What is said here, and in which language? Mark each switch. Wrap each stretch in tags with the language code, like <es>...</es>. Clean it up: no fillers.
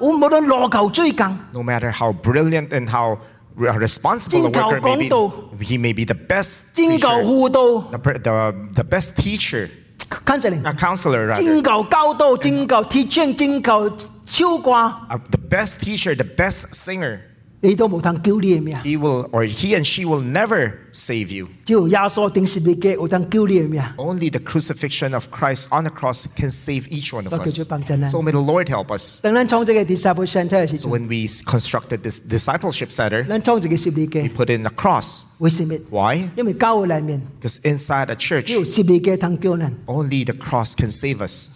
<en>No matter how brilliant and how responsible a worker may be, he may be the best teacher, the best teacher, counseling, a counselor rather,</en> <zh>唱歌</zh> <en>the best teacher, the best singer,</en> <zh>你都无当救你的命。</zh> <en>He will or he and she will never save you.</en> <zh>只有耶稣钉十字架有当救你的命。</zh> <en>Only the crucifixion of Christ on the cross can save each one of us. So may the Lord help us.</en> <zh>当咱创这个</zh> <en>disciple center</en> <zh>的时候</zh> <en>，when we constructed this discipleship center,</en> <zh>咱创这个十字架</zh> <en>we put in a cross. Why? Because inside a church, only the cross can save us.</en>